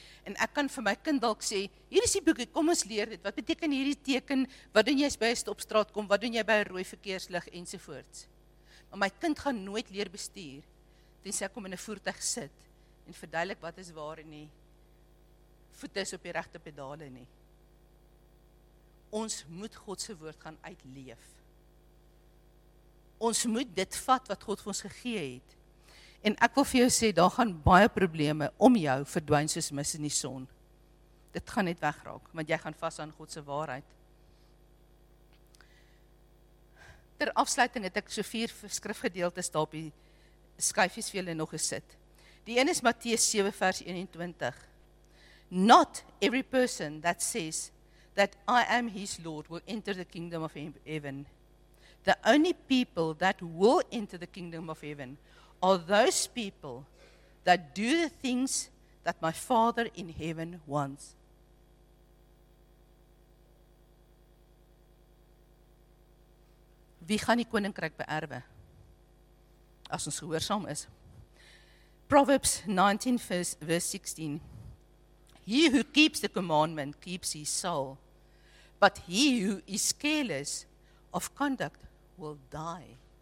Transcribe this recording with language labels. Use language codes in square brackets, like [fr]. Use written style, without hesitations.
[af] En ek kan vir my kind dalk sê, hier is die boekie, kom ons leer dit, wat beteken hierdie teken, wat doen jy as by 'n stopstraat kom, wat doen jy by 'n rooi verkeerslig, ensovoorts. Maar my kind gaan nooit leer bestuur, tensy ek kom in 'n voertuig sit, en verduidelik wat is waar en nie, voete is op die regte pedale nie. Ons moet God se woord gaan uitleef. Ons moet dit vat wat God vir ons gegee het. En ek wil vir jou sê, daar gaan baie probleme om jou verdwyn soos mis in die son. Dit gaan net wegraak, want jy gaan vas aan God se waarheid. Ter afsluiting het ek so 4 skrifgedeeltes daar op die skyfies vir julle nog gesit. Die een is Matteus 7 vers 21. [en] Not every person that says that I am his Lord will enter the kingdom of heaven. The only people that will enter the kingdom of heaven are those people that do the things that my Father in heaven wants. [af] Wie gaan die koninkryk beerwe? As ons gehoorsaam is. [en] Proverbs 19, verse 16. He who keeps the commandment keeps his soul, but he who is careless of conduct will die.